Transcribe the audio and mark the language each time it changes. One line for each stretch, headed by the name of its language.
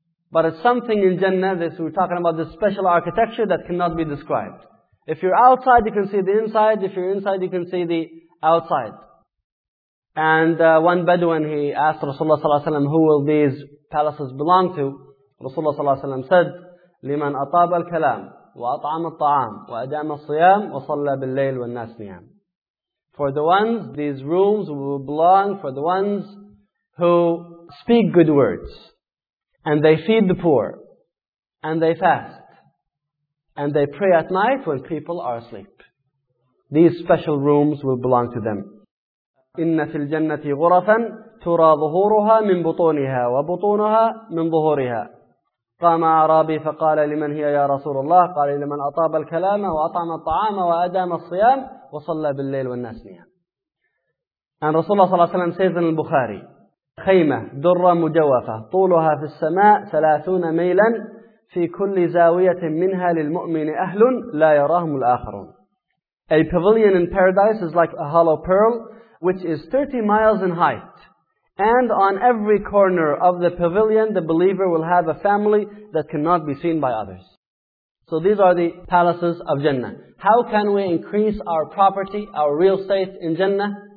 English: But it's something in Jannah, we're talking about this special architecture that cannot be described. If you're outside, you can see the inside. If you're inside, you can see the outside. And one Bedouin, he asked Rasulullah ﷺ, who will these palaces belong to? Rasulullah ﷺ said,
Arabic: لِمَنْ أَطَابَ الْكَلَامِ وَأَطْعَمَ الطَّعَامِ وَأَدَامَ الصِّيَامِ وَصَلَّى بِاللَّيْلِ وَالنَّاسِ نِيَامِ.
English: For the ones, these rooms will belong for the ones who speak good words, and they feed the poor, and they fast, and they pray at night when people are asleep. These special rooms will belong to them.
Arabic: إِنَّ فِي الْجَنَّةِ غُرَفًا تُرَى ظُهُورُهَا مِنْ بُطُونِهَا وَبُطُونُهَا مِنْ ظُهُورِهَا. قام أعرابي فقال لمن هي يا رسول الله قال لمن أطاب الكلام وأطعم الطعام وأدام الصيام وصلى بالليل والناس نيام.
English: And Rasulullah sallallahu alaihi wasallam says in al-Bukhari,
Arabic: خيمة درة مجوفة طولها في السماء 30 ميلا في كل زاوية منها للمؤمن أهل لا يراهم الآخرون.
English: A pavilion in paradise is like a hollow pearl which is 30 miles in height. And on every corner of the pavilion, the believer will have a family that cannot be seen by others. So these are the palaces of Jannah. How can we increase our property, our real estate in Jannah?